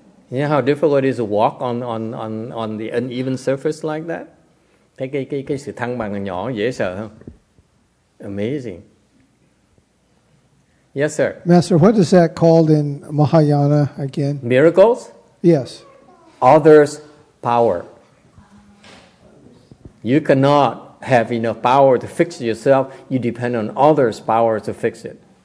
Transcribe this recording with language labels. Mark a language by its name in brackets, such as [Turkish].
[English] You know how difficult it is to walk on the uneven surface like that? [Vietnamese] Thấy cái sự thăng bằng nhỏ dễ sợ không? [English] Amazing. Yes, sir. Master, what is that called in Mahayana again? Miracles? Yes. Others' power. You cannot have enough power to fix it yourself. You depend on others' power to fix it.